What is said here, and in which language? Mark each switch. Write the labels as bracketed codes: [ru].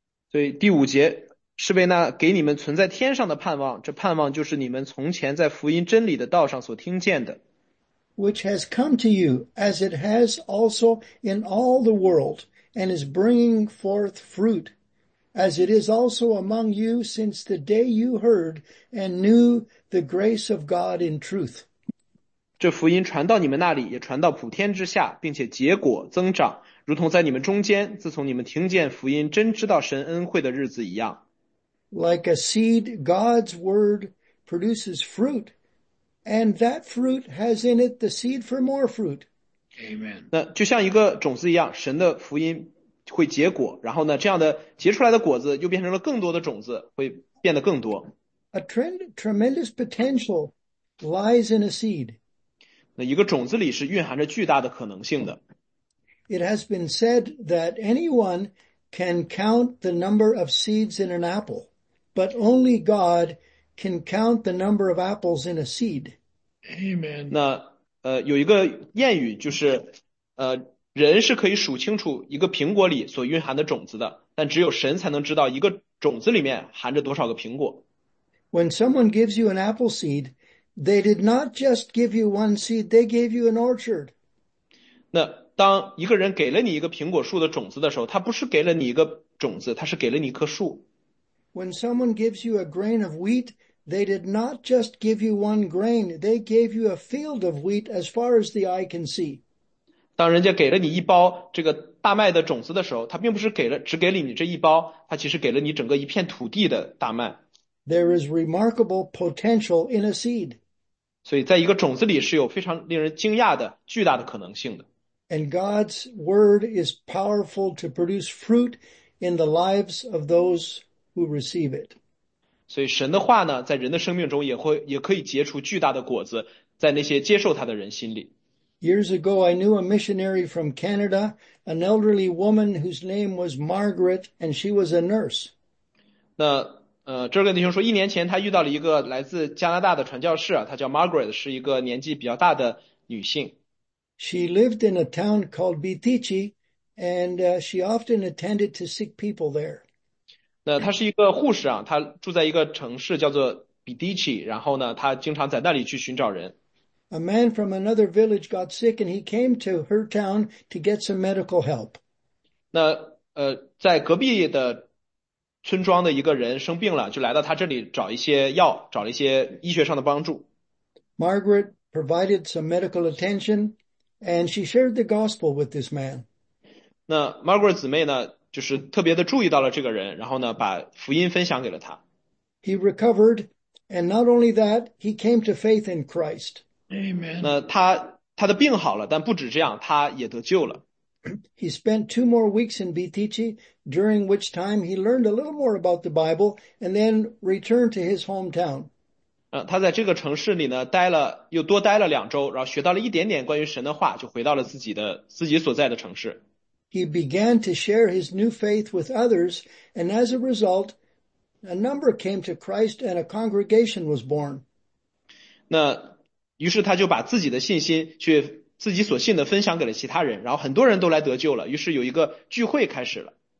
[zh] 对，第五节是为那给你们存在天上的盼望，这盼望就是你们从前在福音真理的道上所听见的。 [en] Which has come to you as it has also in all the world and is bringing forth fruit as it is also among you since the day you heard and knew the grace of God in truth. [zh] 这福音传到你们那里，也传到普天之下，并且结果增长，如同在你们中间，自从你们听见福音，真知道神恩惠的日子一样。 [en] Like a seed, God's word produces fruit, and that fruit has in it the seed for more fruit. Amen. [zh] 那就像一个种子一样，神的福音会结果，然后呢，这样的结出来的果子又变成了更多的种子，会变得更多。 [en] A tremendous potential lies in a seed. [zh] 那一个种子里是蕴含着巨大的可能性的。 [en] It has been said that anyone can count the number of seeds in an apple, but only God can count the number of apples in a seed. Amen. [zh] 那有一个谚语就是人是可以数清楚一个苹果里所蕴含的种子的，但只有神才能知道一个种子里面含着多少个苹果。 [en] When someone gives you an apple seed, they did not just give you one seed, they gave you an orchard. [zh] 那当一个人给了你一个苹果树的种子的时候，他不是给了你一个种子，他是给了你一棵树。 [en] When someone gives you a grain of wheat, they did not just give you one grain, they gave you a field of wheat as far as the eye can see. [zh] 当人家给了你一包这个大麦的种子的时候，他并不是只给了你这一包，他其实给了你整个一片土地的大麦。 [en] There is remarkable potential in a seed. [zh] 所以在一个种子里是有非常令人惊讶的巨大的可能性的。 [en] And God's word is powerful to produce fruit in the lives of those who receive it. [zh] 所以神的话呢，在人的生命中也可以结出巨大的果子，在那些接受他的人心里。 [en] Years ago, I knew a missionary from Canada, an elderly woman whose name was Margaret, and she was a nurse. [zh] 那这个弟兄说，一年前他遇到了一个来自加拿大的传教士啊，她叫 Margaret， 是一个年纪比较大的女性。 [en] She lived in a town called Bitichi, and she often attended to sick people there. [zh] 那她是一个护士啊，她住在一个城市叫做 Bitichi， 然后呢，她经常在那里去寻找人。 [en] A man from another village got sick, and he came to her town to get some medical help. [zh] 那在隔壁的村庄的一个人生病了，就来到他这里找一些药，找了一些医学上的帮助。 [en] Margaret provided some medical attention, and she shared the gospel with this man. [zh] 那 Margaret 姊妹呢，就是特别的注意到了这个人，然后呢，把福音分享给了他。 [en] He recovered, and not only that, he came to faith in Christ. Amen. [zh] 那他的病好了，但不止这样，他也得救了。 [en] He spent 2 more weeks in Bitichi, during which time he learned a little more about the Bible, and then returned to his hometown. [zh] 他在这个城市里呢，又多待了2周，然后学到了一点点关于神的话，就回到了自己所在的城市。 [en] He began to share his new faith with others, and as a result, a number came to Christ, and a congregation was born. [zh] 那于是他就把自己的信心去自己所信的分享给了其他人，然后很多人都来得救了，于是有一个聚会开始了。